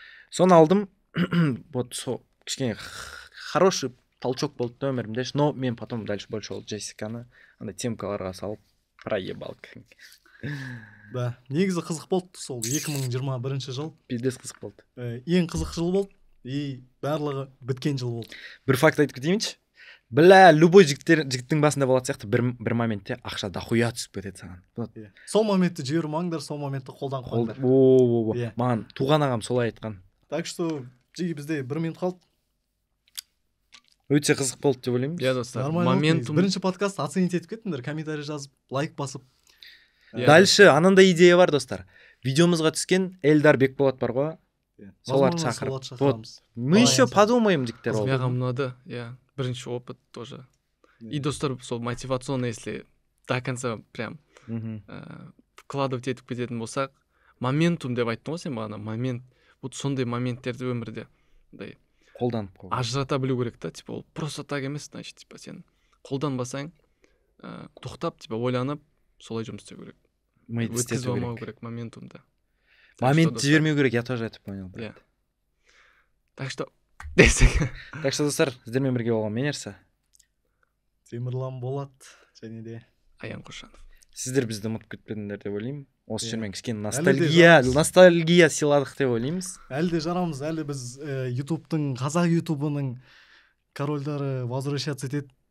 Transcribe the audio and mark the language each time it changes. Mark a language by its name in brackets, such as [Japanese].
[Kazakh] Соны алдым, вот сол кішкене хороший толчок болды да өмірімде, но мен [Russian] потом дальше больше [Kazakh] ол Джессиканы андай темкаларға салып проебал. Да, негізі қызық болды сол 2021 жыл. Пиздец қызық болды. Ең қызық жыл болды. И барлығы біткен жыл болды. Бір факт айтып кетейінші. Бля, любой жігіттің басында болатын сияқты, бір моментте ақша дохуя түсіп кетеді саған. Сол моментті жібермеңдер, сол моментті қолдан қойыңдар. Оо, маған туған ағам солай айтқан. Так что, жиі бізде 1 минут қалды. Өте қызық болды деп ойлаймын. Иә, достар. Моментум. Бірінші подкаст оценить етіп кетіңдер, комментарий жазып, лайк басып. [Russian] Дальше [Kazakh] анандай идея бар, достар. Видеомызға түскен Эльдар Бекболат бар ғой. Соларды шақырып, [Russian] вот мы еще подумаем [Kazakh] диктер. Маған ұнады, иә, бірінші опыт тоже. И достар, сол мотивационно, [Russian] если до конца прям [Kazakh] вкладывать етіп кететін болсақ, моментум деп айттың ғой сен бағана, момент. Вот сондай моменттерді өмірде андай қолданып ажырата білу керек та, типа ол просто так емес, значит, типа сен қолданбасаң, тоқтап, типа ойланып солай жұмыс істеу керек, өткізіп алмау керек моментумды. Момент жібермеу керек, [Russian] я тоже это понял, [Kazakh] брат. Так что десек. Так что, достар, сіздермен бірге болған мен Ерса, Темірлан Болат және де Аян Құшанов. Сіздер бізді ұмытып кетпедіңдер деп ойлаймын. Осы жермен кішкене ностальгия сыйладық деп ойлаймыз. Әлі де жарамыз, әлі біз ютубтың, қазақ ютубының корольдары возвращаться етеді.